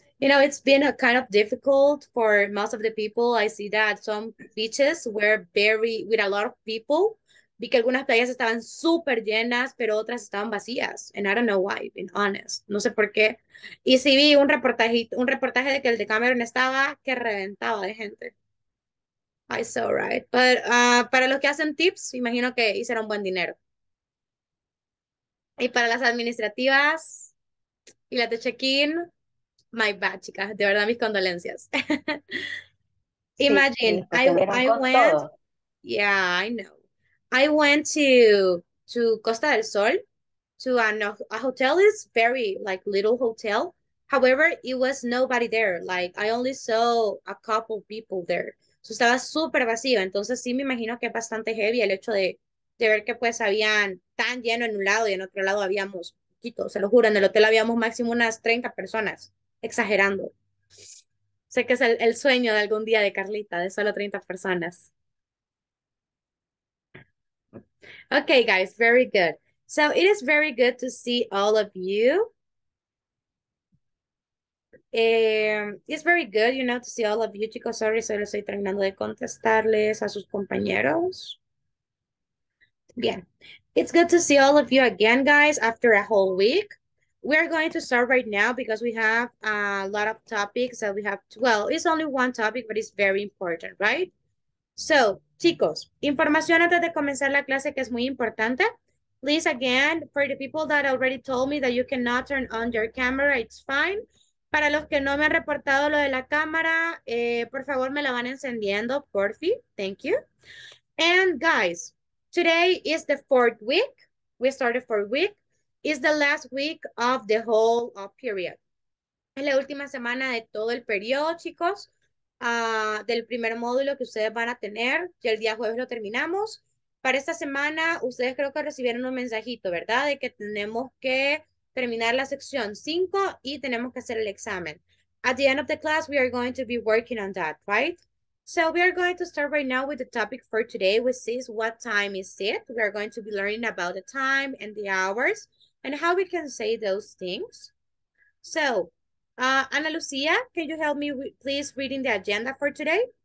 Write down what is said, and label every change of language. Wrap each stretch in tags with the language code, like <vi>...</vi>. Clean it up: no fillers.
<en>You know, it's been a kind of difficult for most of the people. I see that some beaches were very, with a lot of people.</en> <es>Vi que algunas playas estaban súper llenas, pero otras estaban vacías.</es> <en>And I don't know why, being honest.</en> <es>No sé por qué. Y sí vi un reportaje de que el de Cameron estaba que reventaba de gente.</es> <en>I saw, right?</en> <es>But para los que hacen tips, imagino que hicieron buen dinero. Y para las administrativas y las de check-in,</es> <en>my bad,</en> <es>chicas. De verdad, mis condolencias. Sí,</es> <en>Imagine,</en> <es>porque vieron con todo.</es> <en>yeah, I know. I went to Costa del Sol to a hotel. It's very like little hotel. However, it was nobody there. Like I only saw a couple people there.</en> <es>So estaba súper vacío. Entonces sí me imagino que es bastante heavy el hecho de ver que pues habían tan lleno en un lado y en otro lado habíamos poquito. Se lo juro, en el hotel habíamos máximo unas 30 personas, exagerando. Sé que es el sueño de algún día de Carlita, de solo 30 personas.</es> <en>Okay, guys, very good. So it is very good to see all of you. It's very good, you know, to see all of you, chicos.</en> <es>Sorry, solo estoy terminando de contestarles a sus compañeros. Bien.</es> <en>It's good to see all of you again, guys, after a whole week. We are going to start right now because we have a lot of topics that we have to, well, it's only one topic, but it's very important, right?</en> <es>So, chicos, información antes de comenzar la clase que es muy importante.</es> <en>Please, again, for the people that already told me that you cannot turn on your camera, it's fine.</en> <es>Para los que no me han reportado lo de la cámara, por favor, me la van encendiendo, por fin.</es> <en>Thank you. And guys, today is the fourth week. We started fourth week. It's the last week of the whole period.</en> <es>Es la última semana de todo el periodo, chicos. Del primer módulo que ustedes van a tener, y el día jueves lo terminamos. Para esta semana, ustedes creo que recibieron un mensajito, ¿verdad? De que tenemos que terminar la sección 5 y tenemos que hacer el examen.</es> <en>At the end of the class, we are going to be working on that, right? So we are going to start right now with the topic for today, which is what time is it? We are going to be learning about the time and the hours and how we can say those things. So, Ana Lucía, can you help me re please reading the agenda for today?</en>